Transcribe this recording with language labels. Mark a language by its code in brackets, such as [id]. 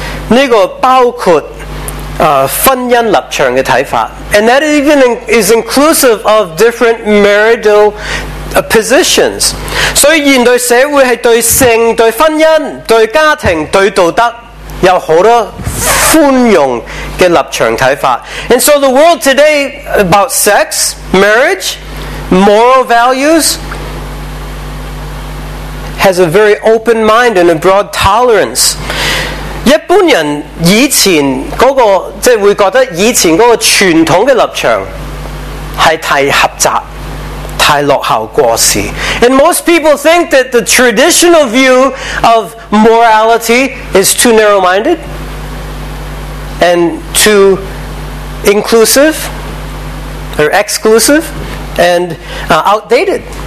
[zh] 这个包括婚姻立场的看法。 [en] And that even is inclusive of different marital positions. [zh] 所以现代社会是对性、对婚姻、对家庭、对道德有好多宽容的立场看法。 [en] And so the world today about sex, marriage, moral values has a very open mind and a broad tolerance. [zh] 一般人以前那个，即会觉得以前那个传统的立场是太狭窄，太落后过时。 [en] And most people think that the traditional view of morality is too narrow-minded and too inclusive or exclusive and outdated.